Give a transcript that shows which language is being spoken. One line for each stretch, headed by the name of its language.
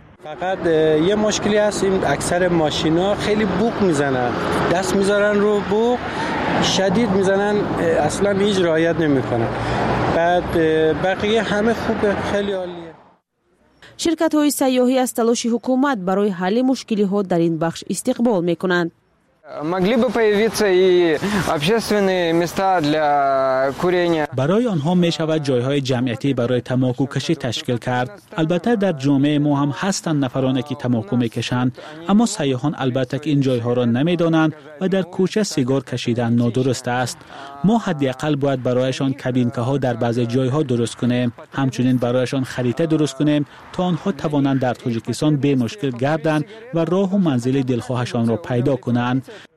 Persian: فقط یه مشکلی هست، این اکثر ماشینا خیلی بوق میزنن، دست میذارن رو بوق شدید میزنن، اصلا هیچ رعایت نمی کنن. بعد بقیه همه خوبه، خیلی عالی. شرکت های سیاحی از تلاش حکومت برای حل مشکلی ها در این بخش استقبال میکنند.
Russian: могли бы появиться и общественные места для курения.
Persian: برای آنها می شود جایهای جمعیتی برای تماکو کشی تشکیل کرد. البته در جامعه ما هم هستند نفرانی که تماکو می کشند، اما سیاحان البته که این جایها را نمی دانند و در کوچه سیگار کشیدن نادرست است. ما حداقل باید برایشان کابینکه ها در بعضی جایها درست کنیم، همچنین برایشان خریطه درست کنیم تا آنها توانند در تاجیکستان به مشکل گردند و راه و منزل دلخواهشان را پیدا کنند.